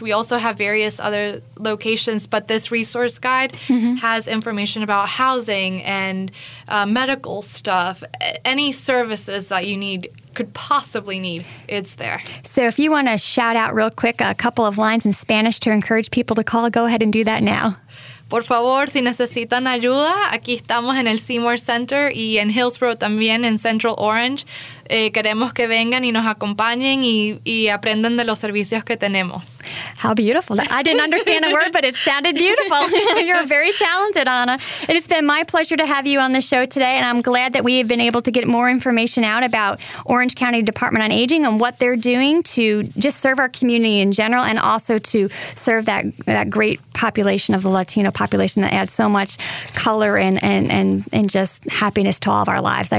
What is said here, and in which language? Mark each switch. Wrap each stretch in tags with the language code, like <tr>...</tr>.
<en>We also have various other locations, but this resource guide mm-hmm. has information about housing and medical stuff, any services that you need. Could possibly need. It's there. So if you want to shout out real quick a couple of lines in Spanish to encourage people to call, go ahead and do that now.</en> <es>Por favor, si necesitan ayuda, aquí estamos en el Seymour Center y en Hillsborough también, en Central Orange. Queremos que vengan y nos acompañen y aprendan de los servicios que tenemos.</es> <en>How beautiful. I didn't understand a word, but it sounded beautiful. You're very talented, Anna. And it's been my pleasure to have you on the show today, and I'm glad that we have been able to get more information out about Orange County Department on Aging and what they're doing to just serve our community in general and also to serve that great population of the Latino population that adds so much color and just happiness to all of our lives.</en>